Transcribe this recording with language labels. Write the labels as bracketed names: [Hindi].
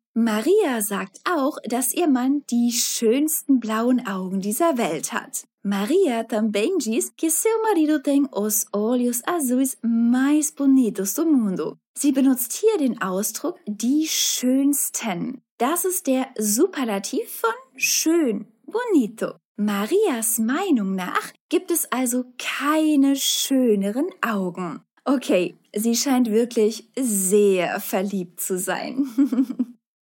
[German] Maria sagt auch, dass ihr Mann die schönsten blauen Augen dieser Welt hat. [Portuguese] Maria também diz que seu marido tem os olhos azuis mais bonitos do mundo. [German] Sie benutzt hier den Ausdruck die schönsten. Das ist der Superlativ von schön, bonito. Marias Meinung nach gibt es also keine schöneren Augen. Okay, sie scheint wirklich sehr verliebt zu sein.